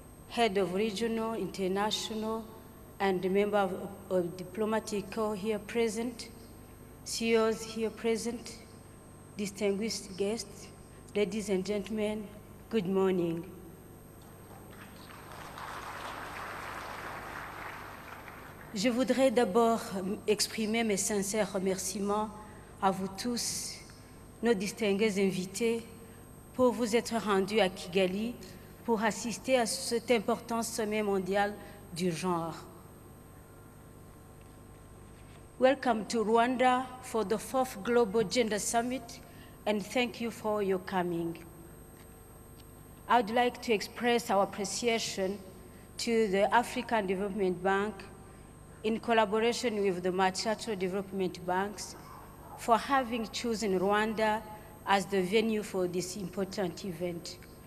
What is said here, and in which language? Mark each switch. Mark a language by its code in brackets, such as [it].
[en] Head of Regional, International, and Member of Diplomatic Corps here present, CEOs here present, distinguished guests, ladies and gentlemen, good morning. [fr] Je voudrais d'abord exprimer mes sincères remerciements à vous tous, nos distingués invités, pour vous être rendus à Kigali pour assister à cet important sommet mondial du genre. [en] Welcome to Rwanda for the 4th Global Gender Summit, and thank you for your coming. I would like to express our appreciation to the African Development Bank in collaboration with the multilateral development banks for having chosen Rwanda as the venue for this important event.